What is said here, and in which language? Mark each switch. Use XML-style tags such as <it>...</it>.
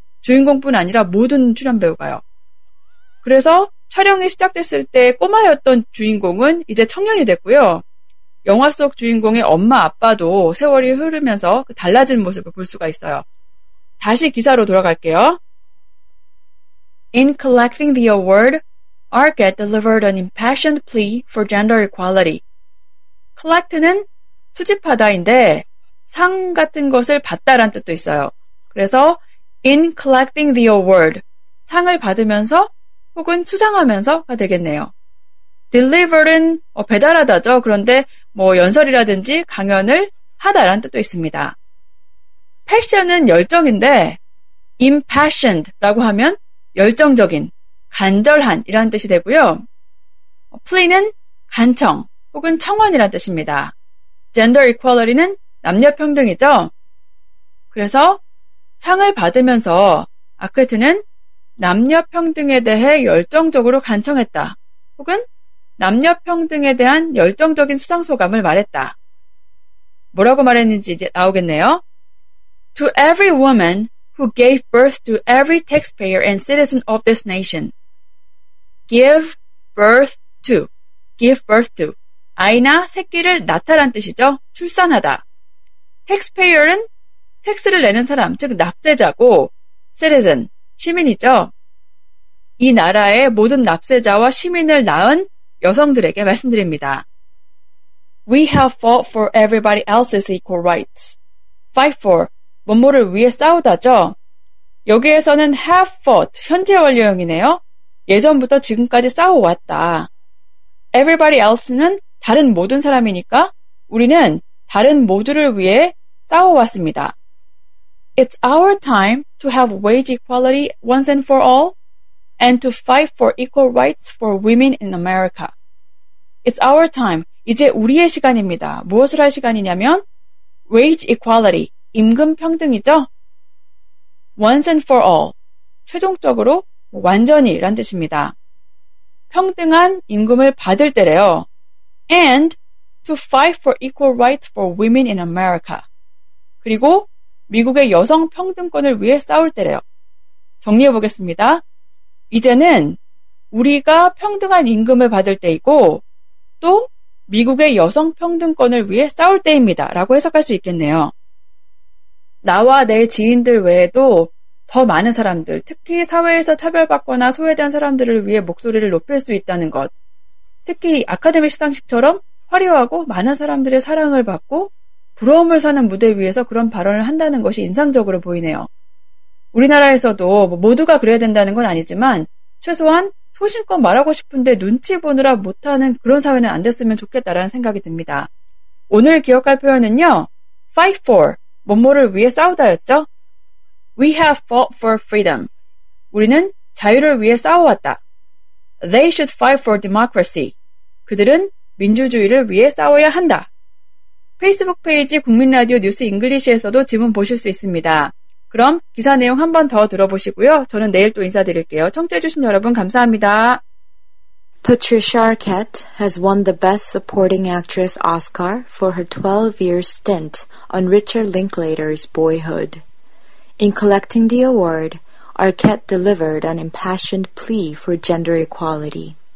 <ko>주인공뿐 아니라 모든 출연 배우가요. 그래서 촬영이 시작됐을 때 꼬마였던 주인공은 이제 청년이 됐고요. 영화 속 주인공의 엄마, 아빠도 세월이 흐르면서 달라진 모습을 볼 수가 있어요. 다시 기사로 돌아갈게요.</ko> <en>In collecting the award, Arquette delivered an impassioned plea for gender equality.</en> <ko>Collect는 수집하다인데 상 같은 것을 받다란 뜻도 있어요. 그래서</ko> <en>in collecting the award,</en> <ko>상을 받으면서 혹은 수상하면서가 되겠네요. Deliver은 배달하다죠. 그런데 뭐 연설이라든지 강연을 하다란 뜻도 있습니다. Passion은 열정인데 impassioned라고 하면 열정적인, 간절한 이란 뜻이 되고요. Plea는 간청 혹은 청원이란 뜻입니다.</ko> <en>Gender equality</en> <ko>는 남녀평등이죠. 그래서 상을 받으면서 아크트는 남녀평등에 대해 열정적으로 간청했다 혹은 남녀평등에 대한 열정적인 수상소감을 말했다. 뭐라고 말했는지 이제 나오겠네요.</ko> <en>To every woman who gave birth to every taxpayer and citizen of this nation. Give birth to</en> <ko>아이나 새끼를 낳다란 뜻이죠. 출산하다. Taxpayer은 택스를 내는 사람, 즉 납세자고 citizen, 시민이죠. 이 나라의 모든 납세자와 시민을 낳은 여성들에게 말씀드립니다.</ko> <en>We have fought for everybody else's equal rights. fight for,</en> <ko>뭐뭐를 위해 싸우다죠. 여기에서는</ko> <en>have fought,</en> <ko>현재 완료형이네요. 예전부터 지금까지 싸워왔다.</ko> <en>Everybody else</en> <ko>는 다른 모든 사람이니까 우리는 다른 모두를 위해 싸워왔습니다.</ko> <en>It's our time to have wage equality once and for all and to fight for equal rights for women in America. It's our time.</en> <ko>이제 우리의 시간입니다. 무엇을 할 시간이냐면</ko> <en>wage equality,</en> <ko>임금 평등이죠.</ko> <en>Once and for all,</en> <ko>최종적으로 완전히 라는 뜻입니다. 평등한 임금을 받을 때래요. And to fight for equal rights for women in America. 그리고 미국의 여성 평등권을 위해 싸울 때래요. 정리해 보겠습니다. 이제는 우리가 평등한 임금을 받을 때이고 또 미국의 여성 평등권을 위해 싸울 때입니다. 라고 해석할 수 있겠네요. 나와 내 지인들 외에도 더 많은 사람들, 특히 사회에서 차별받거나 소외된 사람들을 위해 목소리를 높일 수 있다는 것. 특히 아카데미 시상식처럼 화려하고 많은 사람들의 사랑을 받고 부러움을 사는 무대 위에서 그런 발언을 한다는 것이 인상적으로 보이네요. 우리나라에서도 모두가 그래야 된다는 건 아니지만 최소한 소신껏 말하고 싶은데 눈치 보느라 못하는 그런 사회는 안 됐으면 좋겠다라는 생각이 듭니다. 오늘 기억할 표현은요.</ko> <en>Fight for,</en> <ko>뭐뭐를 위해 싸우다였죠.</ko> <en>We have fought for freedom.</en> <ko>우리는 자유를 위해 싸워왔다.</ko> <en>They should fight for democracy.</en> <ko>그들은 민주주의를 위해 싸워야 한다. 페이스북 페이지 국민라디오 뉴스 잉글리시에서도 질문 보실 수 있습니다. 그럼 기사 내용 한 번 더 들어보시고요. 저는 내일 또 인사드릴게요. 청취해주신 여러분 감사합니다.</ko> <en>Patricia Arquette has won the Best Supporting Actress Oscar for her 12-year stint on Richard Linklater's Boyhood. In collecting the award, Arquette delivered an impassioned plea for gender equality.</en>